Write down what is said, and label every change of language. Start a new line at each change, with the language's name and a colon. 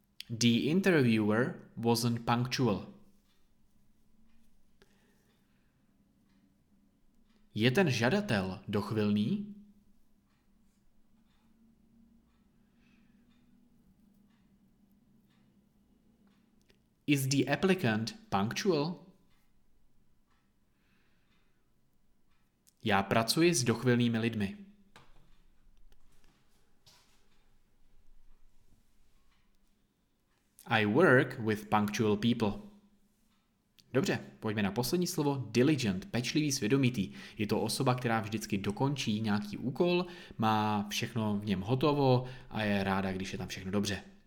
English: The interviewer wasn't punctual.
Czech: Je ten žadatel dochvilný?
English: Is the applicant punctual?
Czech: Já pracuji s dochvilnými lidmi.
English: I work with punctual people.
Czech: Dobře, pojďme na poslední slovo. Diligent, pečlivý, svědomitý. Je to osoba, která vždycky dokončí nějaký úkol, má všechno v něm hotovo a je ráda, když je tam všechno dobře.